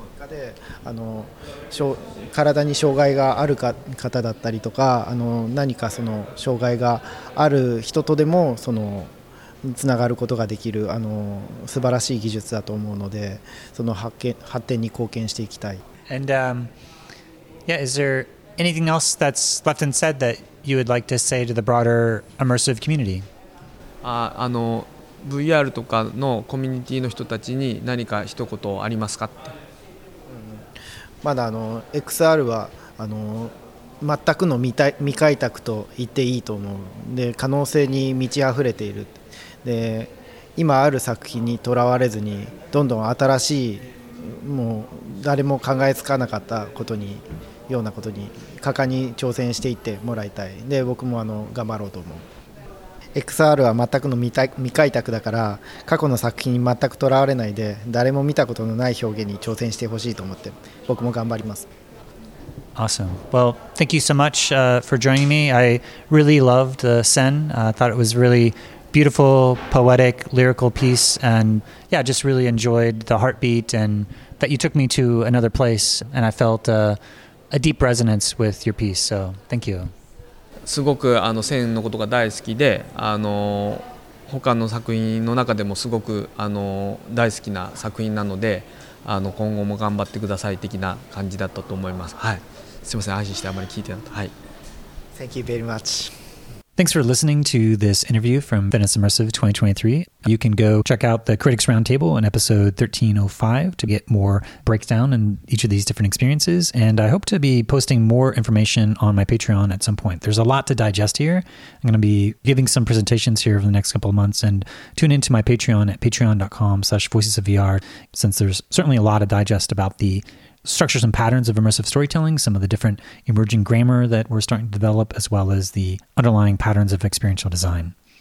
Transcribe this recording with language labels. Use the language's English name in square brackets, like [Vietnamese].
[Japanese] であの体に障害がある方だったりとか、あの何かその障害がある人とでもそのつながることができる、あの素晴らしい技術だと思うので、その発展に貢献していきたい。 [English] And、yeah, is there anything else that's left unsaid that you would like to say to the broader immersive community? [Japanese] VR とかのコミュニティの人たちに何か一言ありますかって。まだあの XR はあの全くの 未開拓と言っていいと思う。で可能性に満ち溢れている。で今ある作品にとらわれずにどんどん新しい、もう誰も考えつかなかったことにようなことに果敢に挑戦していってもらいたい。で僕もあの頑張ろうと思う。XR は全くの 未開拓だから、過去の作品に全くとらわれないで誰も見たことのない表現に挑戦してほしいと思って僕も頑張ります。 [English] Awesome. Well, thank you so much、for joining me. I really loved the Sen. I thought it was really beautiful, poetic, lyrical piece, and yeah, just really enjoyed the heartbeat and that you took me to another place, and I feltA deep resonance with your piece, so thank you. [Japanese] すごくあの線のことが大好きで、あの他の作品の中でもすごくあの大好きな作品なので、あの今後も頑張ってください的な感じだったと思います。はい、すみません、安心してあまり聞いてない。はい。 [English] Thank you very much. Thanks for listening to this interview from Venice Immersive 2023. You can go check out the Critics Roundtable in episode 1305 to get more breakdown in each of these different experiences. And I hope to be posting more information on my Patreon at some point. There's a lot to digest here. I'm going to be giving some presentations here over the next couple of months, and tune into my Patreon at patreon.com/voicesofvr, since there's certainly a lot to digest about the structures and patterns of immersive storytelling, some of the different emerging grammar that we're starting to develop, as well as the underlying patterns of experiential design.